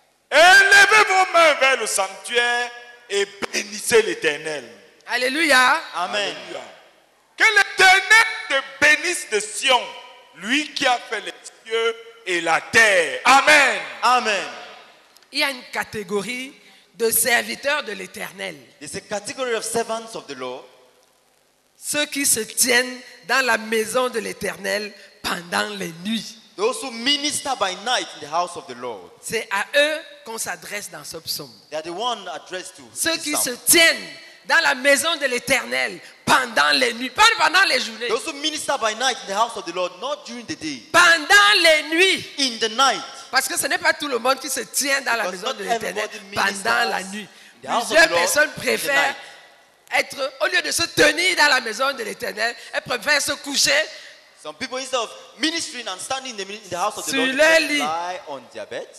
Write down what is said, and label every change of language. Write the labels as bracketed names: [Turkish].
[French] Élevez vos mains vers le sanctuaire et bénissez l'Éternel. Alléluia. Amen. Alléluia. Que l'Éternel te bénisse de Sion, lui qui a fait les cieux et la terre. Amen. Amen. Il y a une catégorie de serviteurs de l'Éternel. [English] There's a category of servants of the Lord. [French] Ceux qui se tiennent dans la maison de l'Éternel pendant les nuits. [English] Those who minister by night in the house of the Lord. [French] C'est à eux qu'on s'adresse dans ce psaume. [English] They are the one addressed to. [French] Ceux qui se tiennent dans la maison de l'Éternel pendant les nuits, pas pendant les journées. [English] Those who minister by night in the house of the Lord, not during the day. [French] Pendant les nuits. [English] In the night. [French] Parce que ce n'est pas tout le monde qui se tient dans la maison de l'Éternel pendant la nuit. Plusieurs personnes préfèrent être, au lieu de se tenir dans la maison de l'Éternel, elles préfèrent se coucher. [English] Some people, instead of ministering and standing in the house of the Lord, they lie on their beds